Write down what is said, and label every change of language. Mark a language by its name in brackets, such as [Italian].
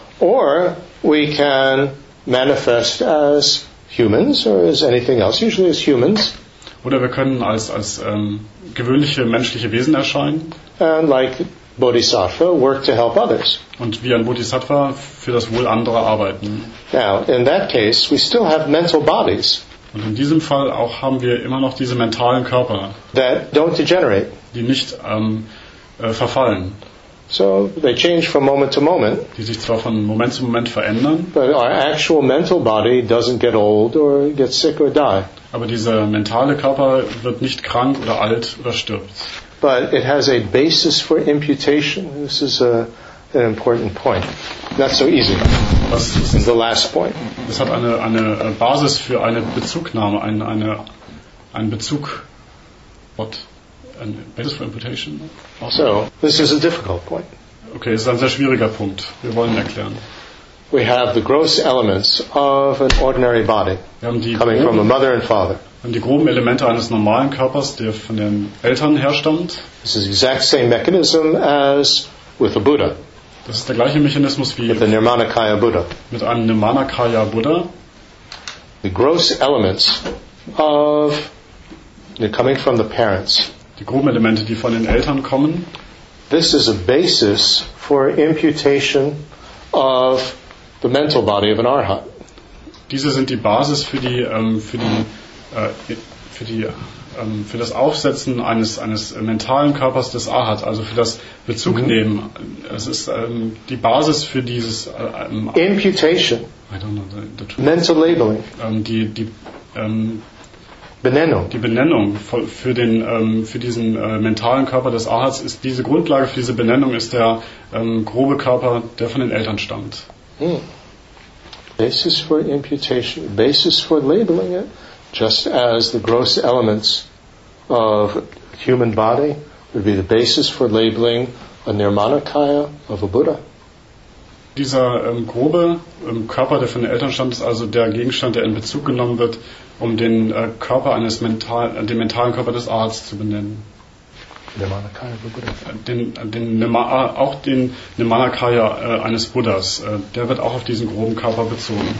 [English] Or we can manifest as humans or as anything else, usually as humans. [German] Oder wir können als gewöhnliche menschliche Wesen erscheinen. [English] And like Bodhisattva, work to help others. [German] Und wie ein Bodhisattva für das Wohl anderer arbeiten. [English] Now, in that case, we still have mental bodies. [German] Und in diesem Fall auch haben wir immer noch diese mentalen Körper. [English] That don't degenerate. [German] Die nicht verfallen. [English] So they change from moment to moment. [German] Die sich zwar von Moment zu Moment verändern. [English] But our actual mental body doesn't get old or get sick or die. [German] Aber dieser mentale Körper wird nicht krank oder alt oder stirbt. [English] But it has a basis for imputation. This is an important point. Not so easy. [German] Das ist [English] the last point. [German] Es hat eine Basis für eine Bezugnahme, ein Bezug. [English] What? And basis for imputation. Also, so, this is a difficult point. [German] Okay, es ist ein sehr schwieriger Punkt. Wir wollen erklären. [English] We have the gross elements of an ordinary body coming from a mother and father. [German] Wir haben die groben Elemente eines normalen Körpers, der von den Eltern herstammt. [English] This is the exact same mechanism as with a Buddha. [German] Das ist der gleiche Mechanismus wie [English] with a Nirmanakaya Buddha. [German] Mit einem Nirmanakaya Buddha. [English] The gross elements of coming from the parents. [German] Die groben Elemente, die von den Eltern kommen. [English] This is a basis for imputation of the mental body of an Arhat. [German] Diese sind die Basis für das Aufsetzen eines mentalen Körpers des Arhat, also für das Bezugnehmen. Es ist die Basis für dieses [English] imputation. I don't know the truth. Mental labeling. [German] Die Benennung für diesen mentalen Körper des Ahats ist diese Grundlage für diese Benennung ist der grobe Körper, der von den Eltern stammt. Hmm. [English] Basis for imputation, basis for labeling it, just as the gross elements of human body would be the basis for labeling a Nirmanakaya of a Buddha. [German] Dieser grobe Körper, der von den Eltern stammt, ist also der Gegenstand, der in Bezug genommen wird, um den Körper den mentalen Körper des Arztes zu benennen. [English] Nirmanakaya Buddha. [German] Auch den Nirmanakaya eines Buddhas, der wird auch auf diesen groben Körper bezogen.